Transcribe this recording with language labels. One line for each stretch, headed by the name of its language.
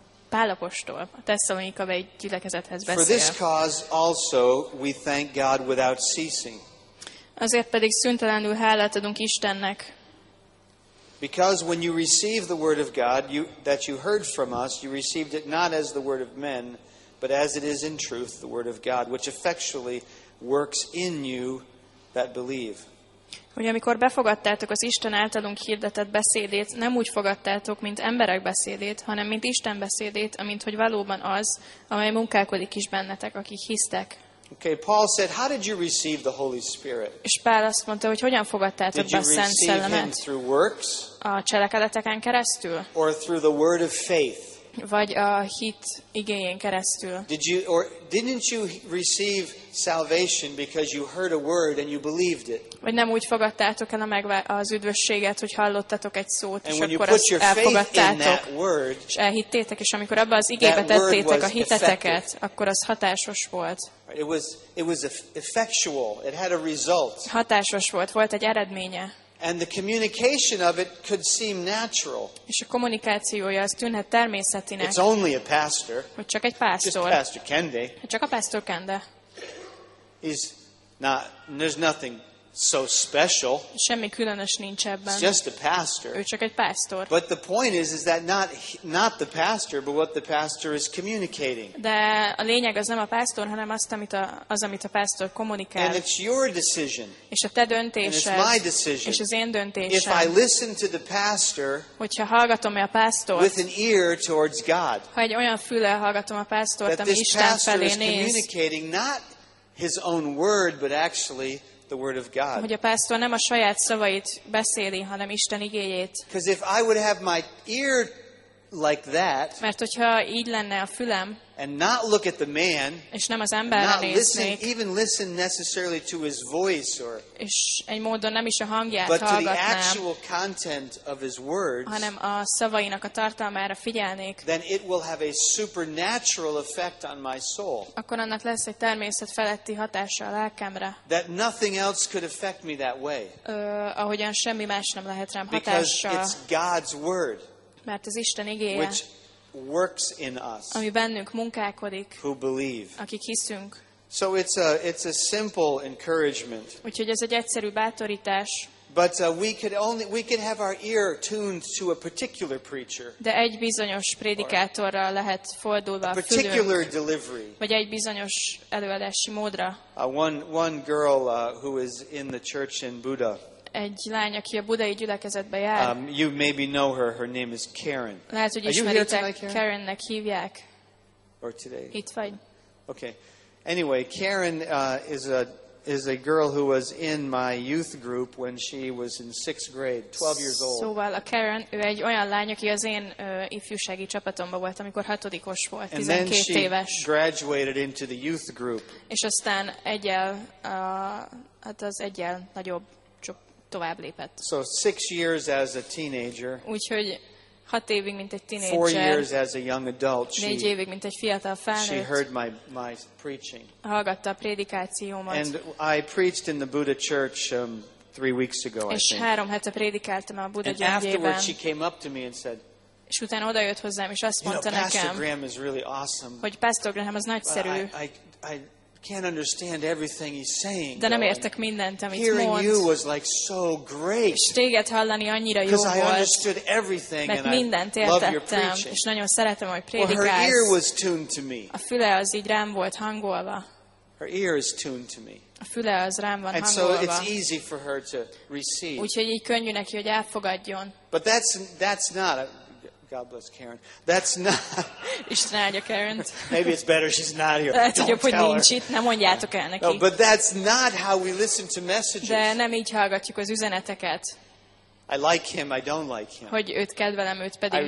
Hungarian: Pál apostol, a Tesszalonika gyülekezethez beszél.
English: For this cause also we thank God without ceasing.
Hungarian: Azért pedig szüntelenül hálát adunk Istennek.
English: Because when you receive the word of God that you heard from us, you received it not as the word of men, but as it is in truth the word of God, which effectually works in you that believe.
Hungarian: Hogy amikor befogadtátok az Isten általunk hirdetett beszédét, nem úgy fogadtátok, mint emberek beszédét, hanem mint Isten beszédét, amint hogy valóban az, amely munkálkodik is bennetek, akik hisztek.
English: Okay, Paul said, how did you receive the Holy Spirit?
Hungarian: És Pál azt mondta, hogy hogyan fogadtátok be a Szent Szellemet?
English: Through works?
Hungarian: A cselekedeteken keresztül?
English: Or through the word of faith?
Hungarian: Vagy a hit igényén keresztül?
English: Didn't you receive salvation because you heard a word and you believed it?
Hungarian: Vagy nem úgy fogadtátok el az üdvösséget, hogy hallottatok egy szót, és
English: and
Hungarian: akkor azt elfogadtátok,
English: word,
Hungarian: és elhittétek, és amikor abba az igébe tettétek a hiteteket, akkor az hatásos volt.
English: It was effectual. It had a result.
Hungarian: Hatásos volt, volt egy eredménye.
English: And the communication of it could seem natural.
Hungarian: És a kommunikációja az tűnhet természetinek.
English: It's only a pastor.
Hungarian: Hogy csak egy pásztor.
English: Just Pastor Kende.
Hungarian: Csak a pásztor Kende.
English: He's not. There's nothing so special.
Hungarian: Semmi különös nincs ebben.
English: It's just a pastor.
Hungarian: Ő csak egy pásztor.
English: But the point is that not the pastor, but what the pastor is communicating.
Hungarian: De a lényeg az nem a pásztor, hanem azt, amit amit a pásztor kommunikál.
English: And it's your decision.
Hungarian: És a te döntésed.
English: And it's my decision.
Hungarian: És az én döntésem.
English: If I listen to the pastor.
Hungarian: Hogyha hallgatom-e a pásztort.
English: With an ear towards God.
Hungarian: Ha egy olyan füllel hallgatom a pásztort,
English: that
Hungarian: ami Isten felé néz.
English: That this pastor is communicating not his own word, but actually the word of God.
Hungarian: Hogy a pásztor nem a saját szavait beszéli, hanem Isten igéjét.
English: Because if I would have my ear like that,
Hungarian: mert hogyha így lenne a fülem,
English: and not look at the man,
Hungarian: és nem az emberre néznék,
English: even listen necessarily to his voice or,
Hungarian: és egy módon nem is a hangját
English: but
Hungarian: hallgatnám,
English: to the actual content of his words,
Hungarian: hanem a szavainak a tartalmára figyelnék,
English: then it will have a supernatural effect on my soul.
Hungarian: Akkor annak lesz egy természet feletti hatása a lelkemre.
English: That nothing else could affect me that way.
Hungarian: Ahogyan semmi más nem lehet rám hatással.
English: Because it's God's word.
Hungarian: Mert az Isten igéje,
English: which works in us,
Hungarian: ami bennünk munkálkodik,
English: who believe.
Hungarian: Akik hiszünk.
English: So it's a simple encouragement.
Hungarian: Úgyhogy ez egy egyszerű bátorítás.
English: But we could have our ear tuned to a particular preacher.
Hungarian: De egy bizonyos prédikátorra lehet fordulva
English: a particular delivery.
Hungarian: Vagy egy bizonyos előadási módra.
English: One girl who is in the church in Buda.
Hungarian: Egy lány, aki a budai gyülekezetbe jár.
English: You maybe know her. Her name is Karen.
Hungarian: Lehet, hogy ismeritek, Karennek hívják.
English: Or today.
Hungarian: Itt vagy.
English: Okay. Anyway, Karen is a girl who was in my youth group when she was in sixth grade, 12 years old.
Hungarian: Szóval a Karen, ő egy olyan lány, aki az én ifjúsági csapatomban volt, amikor hatodikos volt, 12
English: and
Hungarian: éves.
English: She graduated into the youth group.
Hungarian: És aztán egyel, hát az egyel nagyobb. Tovább lépett.
English: So 6 years as a teenager.
Hungarian: Úgyhogy 6 évig mint egy tinédzser.
English: 4 years as a young adult.
Hungarian: 4 évig mint egy fiatal felnőtt.
English: She heard my preaching.
Hungarian: Hallgatta a prédikációmat.
English: And I preached in the Buddha church 3 weeks ago, I think.
Hungarian: És 3 hete prédikáltam a Buddha gyülekezetben.
English: And afterwards she came up to me and said,
Hungarian: és utána odajött hozzám, és azt mondta nekem,
English: Pastor Graham is really awesome.
Hungarian: Hogy Pastor Graham az nagyszerű.
English: Can't understand everything he's saying.
Hungarian: De nem értek mindent, amit
English: hearing
Hungarian: mond.
English: You was like so great.
Hungarian: És téged hallani annyira jó volt.
English: Because I understood everything and I love your preaching.
Hungarian: És nagyon szeretem, hogy prédikálsz.
English: Well, her ear was tuned to me.
Hungarian: A füle az így rám volt hangolva.
English: Her ear is tuned to me.
Hungarian: A füle az rám van
English: and
Hungarian: hangolva.
English: So it's easy for her to receive.
Hungarian: Úgyhogy így könnyű neki, hogy elfogadjon.
English: But that's not a, God bless Karen. That's not.
Hungarian: Isten áldja Karent.
English: Maybe it's better she's not here.
Hungarian: Lehet, hogy jobb, hogy nincs itt, nem mondjátok el neki.
English: No, but that's not how we listen to messages.
Hungarian: De nem így hallgatjuk az üzeneteket.
English: I like him, I don't like him.
Hungarian: Hogy őt kedvelem, őt pedig nem.